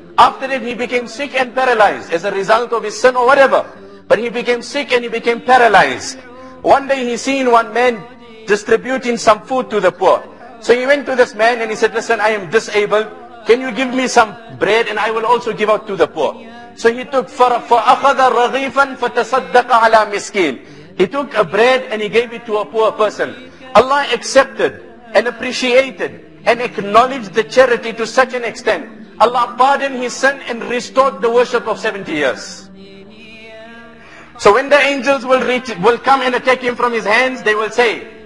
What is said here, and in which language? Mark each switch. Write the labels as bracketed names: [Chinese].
[English] After that he became sick and paralyzed as a result of his sin or whatever. But he became sick and he became paralyzed. One day he seen one man distributing some food to the poor. So he went to this man and he said, listen, I am disabled. Can you give me some bread and I will also give out to the poor. So he took [Arabic] فَأَخَذَ رَغِيفًا فَتَصَدَّقَ عَلَى مِسْكِينَ. [English] He took a bread and he gave it to a poor person. Allah accepted and appreciated and acknowledged the charity to such an extent. Allah pardoned his son and restored the worship of 70 years. So when the angels will come and attack him from his hands, they will say,